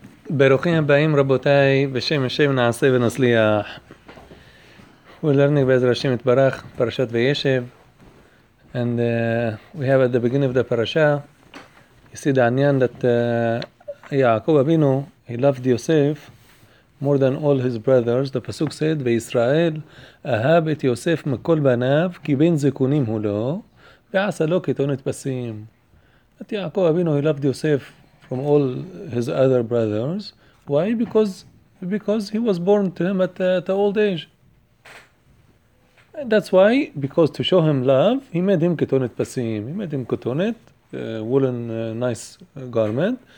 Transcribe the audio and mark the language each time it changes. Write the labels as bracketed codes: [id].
[he] ברוכים הבאים רבותיי, בשם השם נעשה ונצליח. ולרנינג בעזר השם יתברך, פרשת וישב. [en] And we have at the beginning of the parasha, you see the עניין that יעקב אבינו, he loved יוסף more than all his brothers. The פסוק said, [he] וישראל אהב את יוסף מכל בניו, כי בן זקונים הוא לו, ועשה לו כתונת פסים. [en] That יעקב אבינו, he loved יוסף from all his other brothers. Why? Because he was born to him at old age. And that's why, because to show him love, he made him ketonet pasim. He made him ketonet, woolen, nice garment.